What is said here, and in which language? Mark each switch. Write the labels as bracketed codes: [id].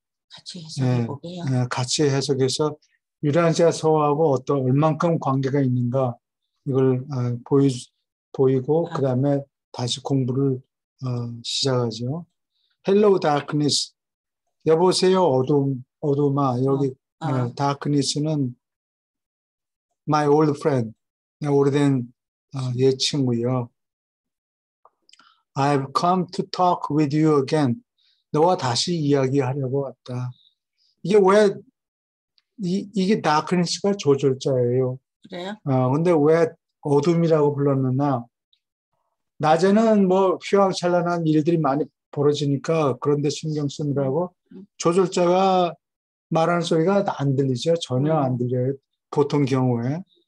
[ko] 같이 해석해 볼게요. 같이 해석해서 유라시아 서하고 얼만큼 관계가 있는가 이걸 보이고 그 다음에 다시 공부를 시작하죠. [en] Hello, Darkness. [ko] 여보세요, 어둠아. 여기 Darkness는 [en] my old friend. [ko] 오래된 옛 친구요. [en] I've come to talk with you again. [ko] 너와 다시 이야기하려고 왔다. 이게 왜, 이게 다크니스가 조절자예요. 그래요? 근데 왜 어둠이라고 불렀느냐? 낮에는 뭐 휘황찬란한 일들이 많이 벌어지니까 그런데 신경 쓰느라고 조절자가 말하는 소리가 안 들리죠. 전혀 안 들려요. 보통 경우에.